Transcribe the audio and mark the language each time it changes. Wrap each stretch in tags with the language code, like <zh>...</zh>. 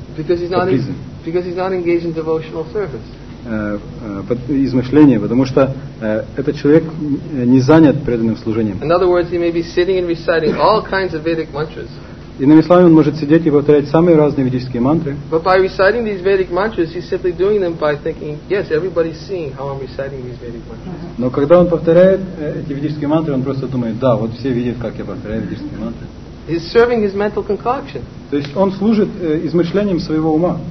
<en>Because he's not engaged in devotional service.</en> <ru>Измышления, потому что этот человек не занят преданным служением.</ru> <en>In other words, he may be sitting and reciting all kinds of Vedic mantras.</en> <ru>Иными словами, он может сидеть и повторять самые разные ведические мантры.</ru> <en>But by reciting these Vedic mantras, he's simply doing them by thinking, yes, everybody's seeing how I'm reciting these Vedic mantras.</en> <ru>Но когда он повторяет эти ведические мантры, он просто думает, да, вот все видят, как я повторяю ведические мантры.</ru> <en>He's serving his mental concoction.</en> <ru>То есть он служит измышлением своего ума.</ru>